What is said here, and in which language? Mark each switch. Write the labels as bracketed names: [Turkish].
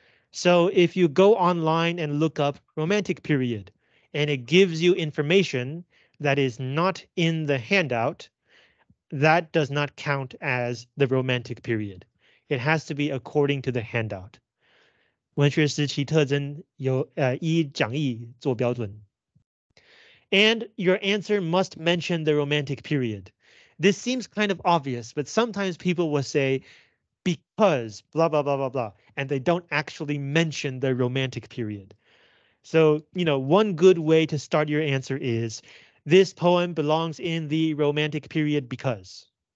[English] So if you go online and look up Romantic period and it gives you information that is not in the handout, that does not count as the Romantic period. It has to be according to the handout. [Chinese] 文学时期特征有一讲义做标准。 [English] And your answer must mention the Romantic period. This seems kind of obvious, but sometimes people will say, because blah, blah, blah, blah, blah, and they don't actually mention the Romantic period. So, you know, one good way to start your answer is, this poem belongs in the Romantic period because.